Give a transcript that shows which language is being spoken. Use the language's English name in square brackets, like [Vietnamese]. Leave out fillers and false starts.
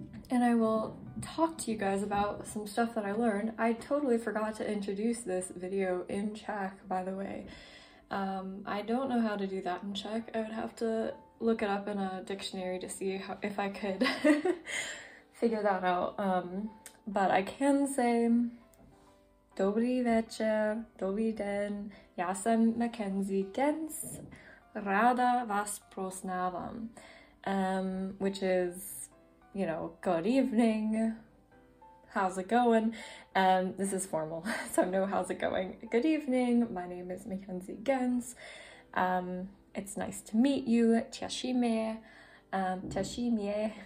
[English] And I will talk to you guys about some stuff that I learned. I totally forgot to introduce this video in Czech, by the way. I don't know how to do that in Czech. I would have to look it up in a dictionary to see how, if I could figure that out. But I can say, [Czech] Dobrý večer, dobrý den, já jsem Mackenzie Gens, ráda vás poznávám. [English] Which is, you know, good evening, how's it going? This is formal, so no, how's it going? Good evening, my name is Mackenzie Gens. It's nice to meet you. [Czech] Těšíme, těšíme.